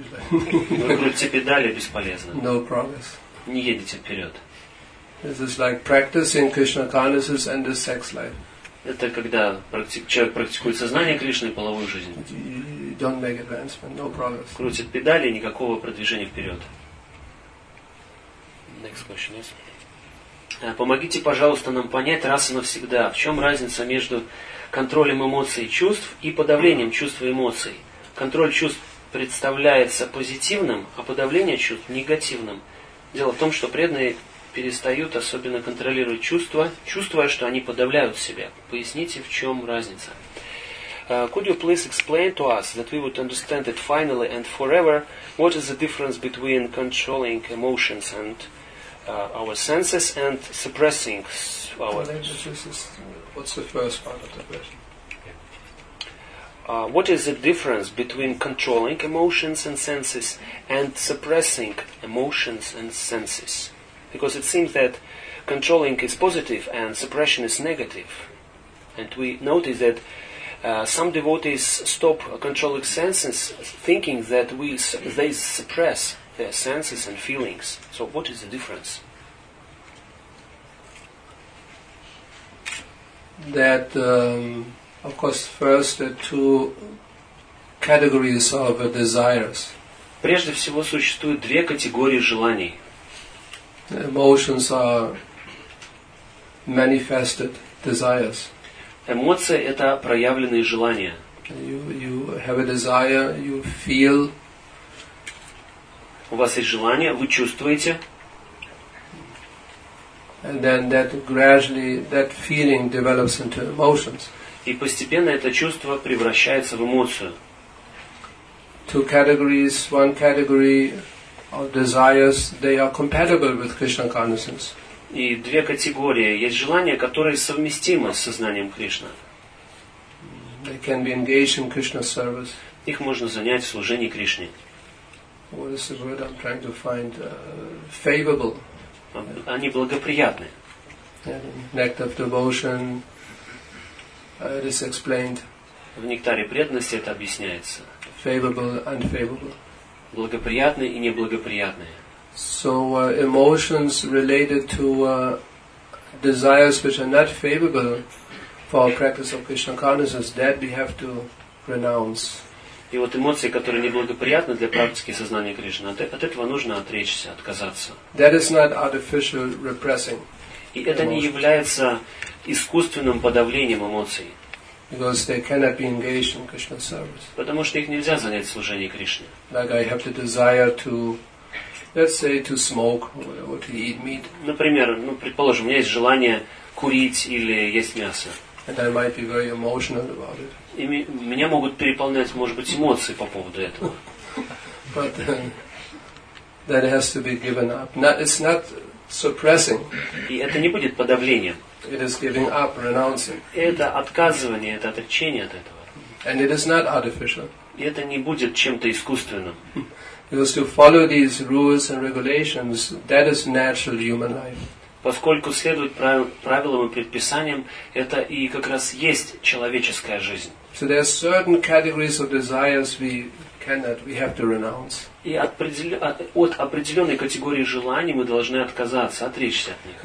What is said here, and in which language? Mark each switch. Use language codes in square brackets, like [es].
[ru] Вы крутите педали бесполезно. [en] No progress. [ru] Не едете вперед. [en] This is like practicing Krishna consciousness and the sex life. [ru] Это когда человек практикует сознание Кришны и половую жизнь. [en] Don't make advancement, no progress. [ru] Крутит педали, никакого продвижения вперед. [en] Next question is. [ru] Помогите, пожалуйста, нам понять раз и навсегда, в чем разница между контролем эмоций и чувств и подавлением чувств и эмоций. Контроль чувств представляется позитивным, а подавление чувств – негативным. Дело в том, что преданные перестают особенно контролировать чувства, чувствуя, что они подавляют себя. Поясните, в чем разница. [en] Could you please explain to us that we would understand it finally and forever, what is the difference between controlling emotions and our senses and suppressing our... What's the first part of the question? What is the difference between controlling emotions and senses and suppressing emotions and senses? Because it seems that controlling is positive and suppression is negative. And we notice that some devotees stop controlling senses, thinking that they suppress their senses and feelings. So what is the difference? That, of course, first the two categories of desires. [ru] Прежде всего существуют две категории желаний. [en] Emotions are manifested desires. [ru] Эмоции – это проявленные желания. [en] You have a desire, you feel. [ru] У вас есть желание, вы чувствуете. [en] And then that gradually that feeling develops into emotions. [ru] И постепенно это чувство превращается в эмоцию. [en] Two categories, one category of desires, they are compatible with Krishna consciousness. [ru] И две категории. Есть желания, которые совместимы с сознанием Кришны. [en] They can be engaged in Krishna service. [ru] Их можно занять в служении Кришне. [en] What is the word I'm trying to find? Favorable. [ru] Они благоприятны. [en] Nectar of devotion, it is explained. [ru] В нектаре преданности это объясняется. [en] Favorable, unfavorable. [ru] Благоприятные и неблагоприятные. [en] So emotions related to desires which are not favorable for our practice of Krishna consciousness, that we have to renounce. [ru] И вот эмоции, которые неблагоприятны для практики сознания Кришны, от этого нужно отречься, отказаться. [en] That is not artificial repressing. [ru] И это не является искусственным подавлением эмоций. [en] Because they cannot be engaged in Krishna service. [ru] Потому что их нельзя занять в служении Кришне. [en] Like I have the desire to, let's say, to smoke or to eat meat. [ru] Например, ну, предположим, у меня есть желание курить или есть мясо. [en] And I might be very emotional about it. [ru] И меня могут переполнять, может быть, эмоции по поводу этого. [en] But that has to be given up. Not, it's not suppressing. [ru] И это не будет подавлением. [en] It is giving up, renouncing. [ru] Это отказывание, это отречение от этого. [en] And it is not artificial. [ru] И это не будет чем-то искусственным. [en] Because to follow these rules and regulations, that is natural human life. [ru] Поскольку следовать правилам и предписаниям, это и как раз есть человеческая жизнь. [en] So there are certain categories of desires we cannot, we have to renounce. [ru] И от определенной категории желаний мы должны отказаться, отречься от них.